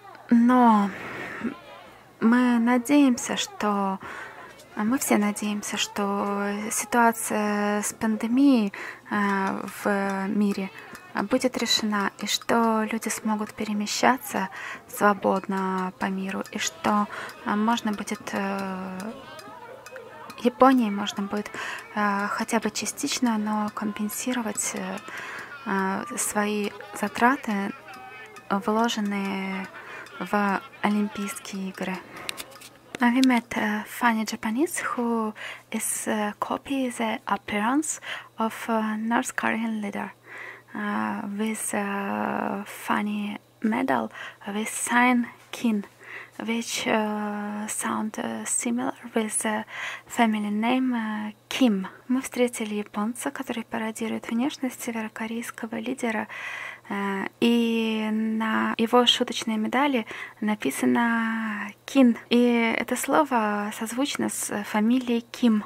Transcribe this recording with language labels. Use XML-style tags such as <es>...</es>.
<ru>Но мы надеемся, что мы все надеемся, что ситуация с пандемией в мире будет решена, и что люди смогут перемещаться свободно по миру, и что можно будет Японии можно будет хотя бы частично, но компенсировать свои затраты, вложенные в Олимпийские игры.</ru> <en>And we met a funny Japanese who is copying the appearance of a North Korean leader with a funny medal with sign Kim, which sound similar with family name Kim.</en> <ru>Мы встретили японца, который пародирует внешность северокорейского лидера, и на его шуточной медали написано Kim. И это слово созвучно с фамилией Kim.</ru>